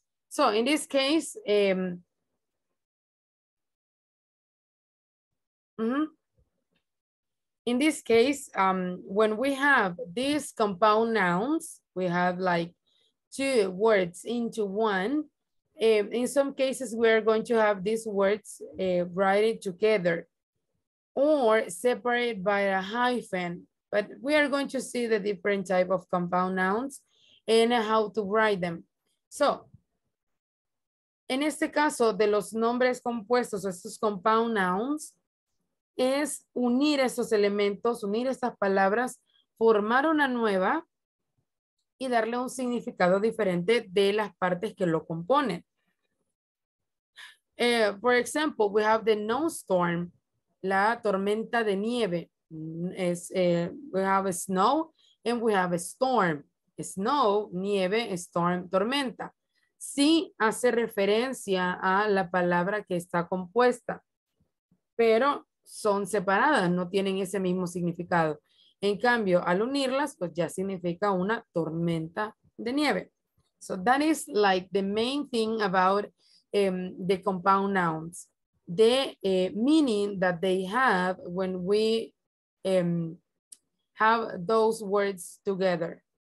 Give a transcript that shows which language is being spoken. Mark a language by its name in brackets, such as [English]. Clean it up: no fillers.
[English] So in this case, in this case, when we have these compound nouns, we have like two words into one. In some cases, we are going to have these words written together or separated by a hyphen. But we are going to see the different type of compound nouns and how to write them. [Spanish] So, en este caso, de los nombres compuestos, estos compound nouns, es unir esos elementos, unir estas palabras, formar una nueva y darle un significado diferente de las partes que lo componen. [English] For example, we have the snowstorm, [Spanish] la tormenta de nieve. [English] We have a snow and we have a storm. Snow, [Spanish] nieve, [English] storm, [Spanish] tormenta. Sí hace referencia a la palabra que está compuesta, pero son separadas, no tienen ese mismo significado. En cambio, al unirlas, pues ya significa una tormenta de nieve. [English] So that is like the main thing about the compound nouns. The meaning that they have when we have those words together.